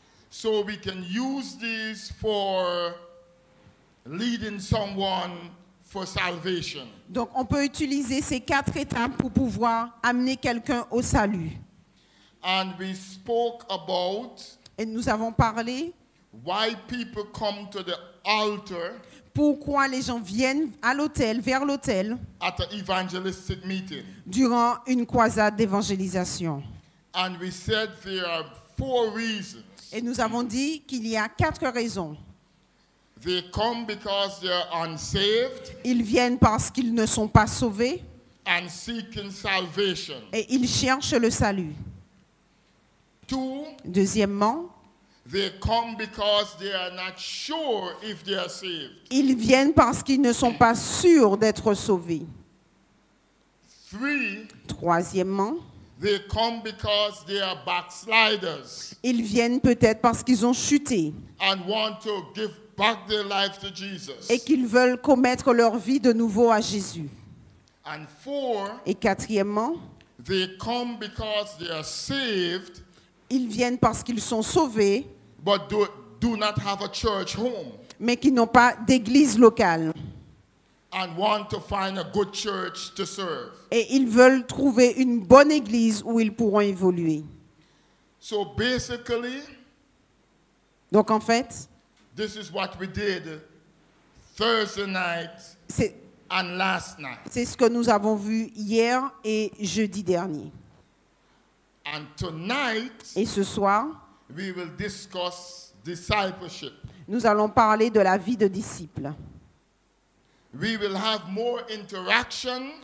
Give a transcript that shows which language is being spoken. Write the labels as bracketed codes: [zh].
[en] So we can use these for leading someone for salvation. [fr] Donc on peut utiliser ces quatre étapes pour pouvoir amener quelqu'un au salut. [en] And we spoke about [fr] et nous avons parlé [en] why people come to the altar. [fr] Pourquoi les gens viennent à l'autel, vers l'autel, [en] at an evangelistic meeting. [fr] Durant une croisade d'évangélisation. [en] And we said there are four reasons. [fr] Et nous avons dit qu'il y a quatre raisons. [en] They come because they are unsaved. [fr] Ils viennent parce qu'ils ne sont pas sauvés. [en] And seeking salvation. [fr] Et ils cherchent le salut. [en] Two, [fr] deuxièmement, [en] they come because they are not sure if they are saved. [fr] Ils viennent parce qu'ils ne sont pas sûrs d'être sauvés. [en] Three, [fr] troisièmement, [en] they come because they are backsliders. [fr] Ils viennent peut-être parce qu'ils ont chuté. [en] And want to give back their life to Jesus. [fr] Et qu'ils veulent commettre leur vie de nouveau à Jésus. [en] And four, [fr] et quatrièmement, [en] they come because they are saved. [fr] Ils viennent parce qu'ils sont sauvés, [en] but do not have a church home. [fr] Mais qu'ils n'ont pas d'église locale. [en] And want to find a good church to serve. [fr] Et ils veulent trouver une bonne église où ils pourront évoluer. [en] So basically, [fr] donc en fait, [en] this is what we did Thursday night and last night. [fr] C'est ce que nous avons vu hier et jeudi dernier. [en] And tonight, [fr] et ce soir, [en] we will discuss discipleship. [fr] Nous allons parler de la vie de disciple. [en] We will have more interaction.